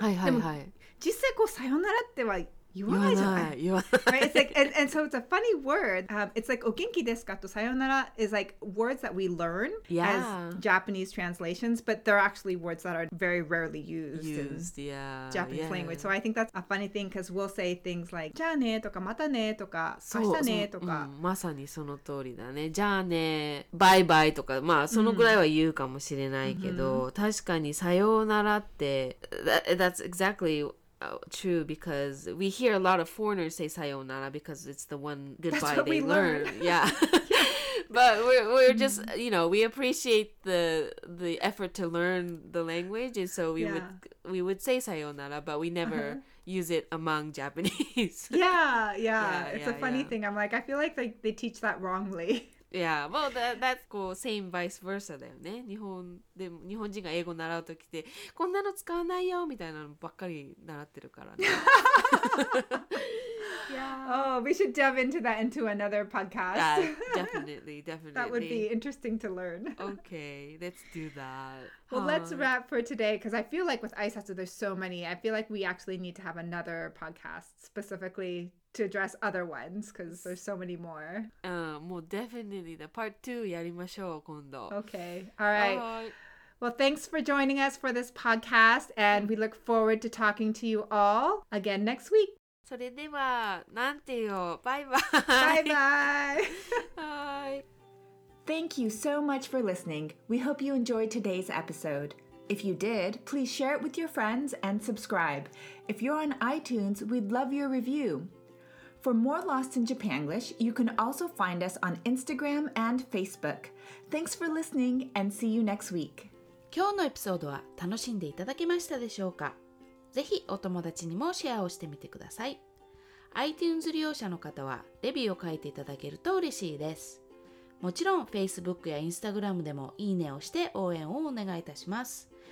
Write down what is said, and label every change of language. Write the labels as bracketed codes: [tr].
[ja] はいはいはい。実際こうさよならっては言わないじゃない。言わない。 [en] Right? It's like, and so it's a funny word. It's like, [ja] お元気ですかとさよなら [en] is like words that we learn as Japanese translations, but they're actually words that are very rarely used in Japanese language. So I think that's a funny thing because we'll say things like, [ja] じゃあねとかまたねとか明日ねとか。まさにその通りだね。じゃあね、バイバイとか、まあそのぐらいは言うかもしれないけど、確かにさようならって、 [en] that's exactly... true, because we hear a lot of foreigners say sayonara because it's the one goodbye they learn. Yeah. But we're just, you know, we appreciate the effort to learn the language, and so we would say sayonara, but we never use it among Japanese. Yeah, it's a funny thing. I'm like, I feel like they teach that wrongly. Yeah, well, that's [ja] こう [en] same vice versa [ja] だよね。日本人が英語習うときってこんなの使わないよみたいなのばっかり習ってるからね。 [en] Yeah. Oh, we should delve into that into another podcast. Definitely. That would be interesting to learn. Okay, let's do that. Well, let's wrap for today because I feel like with Aisatsu, there's so many. I feel like we actually need to have another podcast specifically. To address other ones, because there's so many more. Well, definitely the part two, [ja] やりましょう今度. [en] Okay, all right. Well, thanks for joining us for this podcast, and we look forward to talking to you all again next week. [ja] それでは、なんてよ、バイバイ。バイバイ。 [en] Thank you so much for listening. We hope you enjoyed today's episode. If you did, please share it with your friends and subscribe. If you're on iTunes, we'd love your review. For more Lost in Japanglish, you can also find us on Instagram and Facebook. Thanks for listening and see you next week. [ja] 今日のエピソードは楽しんでいただけましたでしょうか?ぜひお友達にもシェアをしてみてください。 iTunes 利用者の方はレビューを書いていただけると嬉しいです。もちろん Facebook や Instagram でもいいねをして応援をお願いいたします。